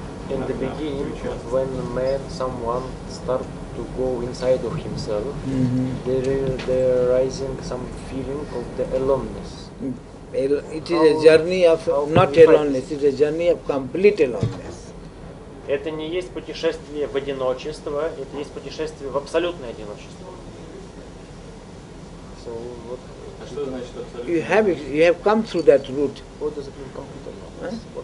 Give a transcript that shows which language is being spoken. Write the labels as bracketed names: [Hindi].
[English] In the beginning, when man, someone start to go inside of himself, there rising some feeling of the aloneness. It is a journey of not aloneness. It is a journey of complete aloneness. [Russian] Это не есть путешествие в одиночество. Это есть путешествие в абсолютное одиночество. [English] So what? You have come through that route. What does it mean, complete aloneness?